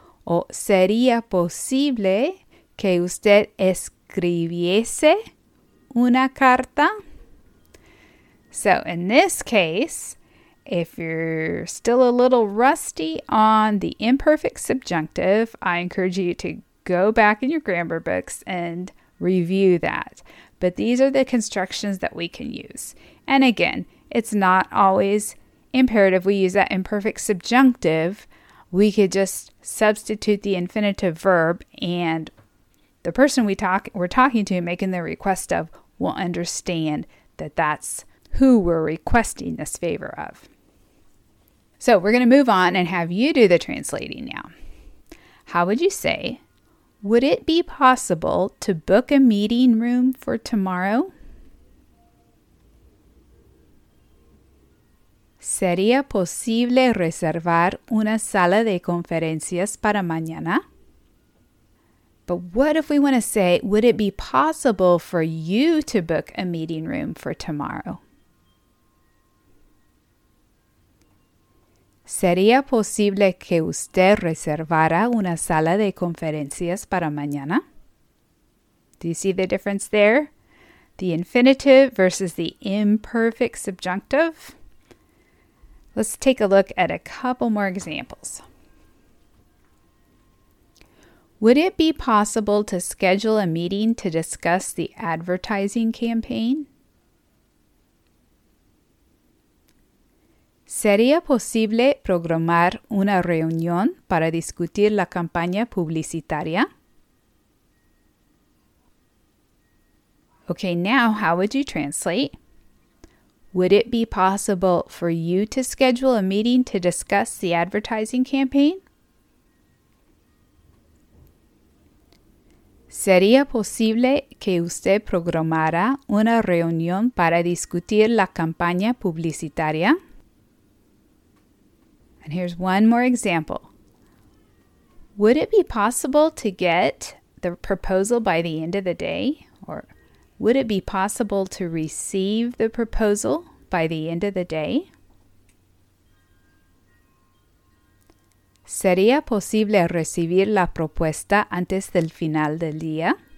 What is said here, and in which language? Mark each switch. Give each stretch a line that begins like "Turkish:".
Spanish: O sería posible que usted escribiese una carta?
English: So in this case, if you're still a little rusty on the imperfect subjunctive, I encourage you to go back in your grammar books and review that. But these are the constructions that we can use. And again, it's not always imperative. We use that imperfect subjunctive. We could just substitute the infinitive verb and the person we're talking to and making the request of will understand that that's who we're requesting this favor of. So we're going to move on and have you do the translating now. How would you say, would it be possible to book a meeting room for tomorrow?
Spanish: ¿Sería posible reservar una sala de conferencias para mañana?
English: But what if we want to say, would it be possible for you to book a meeting room for tomorrow?
Spanish: ¿Sería posible que usted reservara una sala de conferencias para mañana?
English: Do you see the difference there? The infinitive versus the imperfect subjunctive. Let's take a look at a couple more examples. Would it be possible to schedule a meeting to discuss the advertising campaign?
Spanish: ¿Sería posible programar una reunión para discutir la campaña publicitaria?
English: Okay, now how would you translate? Would it be possible for you to schedule a meeting to discuss the advertising campaign?
Spanish: ¿Sería posible que usted programara una reunión para discutir la campaña publicitaria?
English: And here's one more example. Would it be possible to get the proposal by the end of the day? Or would it be possible to receive the proposal by the end of the day?
Spanish: ¿Sería posible recibir la propuesta antes del final del día?